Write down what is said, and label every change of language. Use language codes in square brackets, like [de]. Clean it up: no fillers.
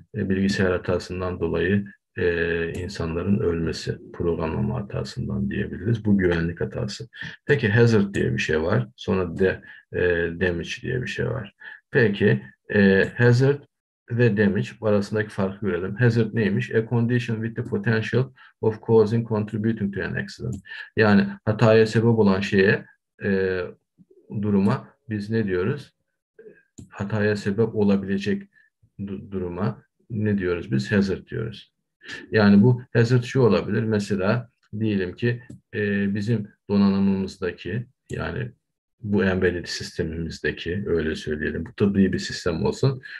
[tr] Bilgisayar hatasından dolayı insanların ölmesi, programlama hatasından diyebiliriz. Bu güvenlik hatası. Peki hazard diye bir şey var. Sonra damage diye bir şey var. Peki hazard ve damage arasındaki farkı görelim. Hazard neymiş? [en] A condition with the potential of causing contributing to an accident. [tr] Yani hataya sebep olan şeye, duruma biz ne diyoruz? Hataya sebep olabilecek duruma ne diyoruz biz? Hazard diyoruz. Yani bu hazard şu olabilir. Mesela diyelim ki bizim donanımımızdaki, yani bu embedded sistemimizdeki, öyle söyleyelim, bu tıbbi bir sistem olsun.